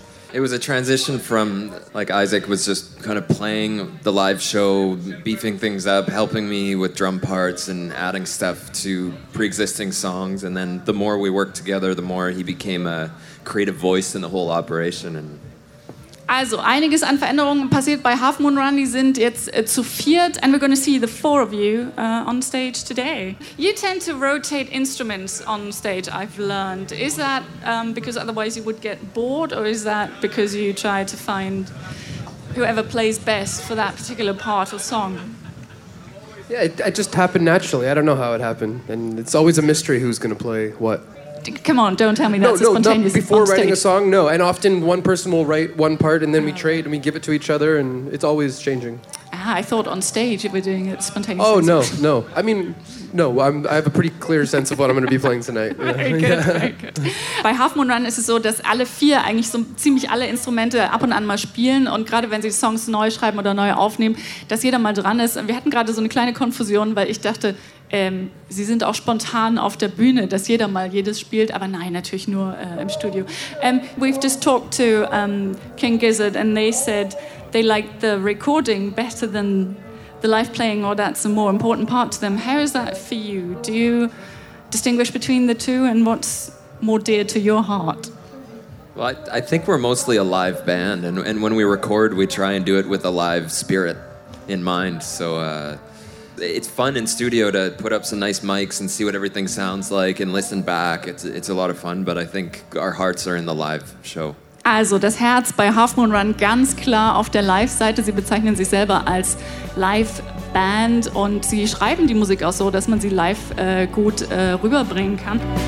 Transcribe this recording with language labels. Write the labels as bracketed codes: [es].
[en] It was a transition from, like, Isaac was just kind of playing the live show, beefing things up, helping me with drum parts and adding stuff to pre-existing songs. And then the more we worked together, the more he became a creative voice in the whole operation. And [de] also, einiges an Veränderungen passiert bei Half Moon Run. Die sind jetzt zu viert, [en] and we're going to see the four of you on stage today. You tend to rotate instruments on stage, I've learned. Is that because otherwise you would get bored, or is that because you try to find whoever plays best for that particular part or song? Yeah, it just happened naturally. I don't know how it happened, and it's always a mystery who's going to play what. Come on, don't tell me that's no, a spontaneous No, before writing a song, no. And often one person will write one part and then we trade and we give it to each other and it's always changing. I thought on stage we're doing it spontaneously. Oh, no, no. I mean, no, I have a pretty clear sense of what I'm going to be playing tonight. Yeah. Very good. [de] Bei Half Moon Run ist es so, dass alle vier eigentlich so ziemlich alle Instrumente ab und an mal spielen und gerade wenn sie Songs neu schreiben oder neu aufnehmen, dass jeder mal dran ist. Und wir hatten gerade so eine kleine Konfusion, weil ich dachte, sie sind auch spontan auf der Bühne, dass jeder mal jedes spielt, aber nein, natürlich nur im Studio. [en] We've just talked to King Gizzard and they said they like the recording better than the live playing, or that's a more important part to them. How is that for you? Do you distinguish between the two, and what's more dear to your heart? Well, I think we're mostly a live band, and when we record, we try and do it with a live spirit in mind. So it's fun in studio to put up some nice mics and see what everything sounds like and listen back. It's a lot of fun, but I think our hearts are in the live show. [de] Also, das Herz bei Half Moon Run ganz klar auf der Live-Seite. Sie bezeichnen sich selber als Live-Band und sie schreiben die Musik auch so, dass man sie live gut rüberbringen kann.